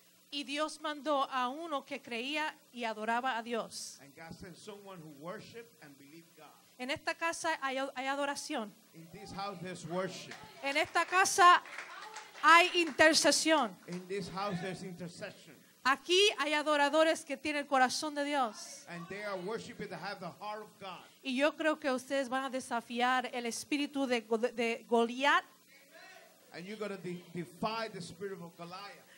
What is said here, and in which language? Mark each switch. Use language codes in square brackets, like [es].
[es] Y Dios mandó a uno que creía y adoraba a Dios. [en] And God sent someone who worshiped and believed God. [es] En esta casa hay adoración. [en] In this house there's worship. [es] En esta casa hay intercesión. [en] In this house there's intercession. [es] Aquí hay adoradores que tienen el corazón de Dios. [en] And they are worshiping to have the heart of God. [es] Y yo creo que ustedes van a desafiar el espíritu de Goliat. [en] And you're going to defy the spirit of Goliath.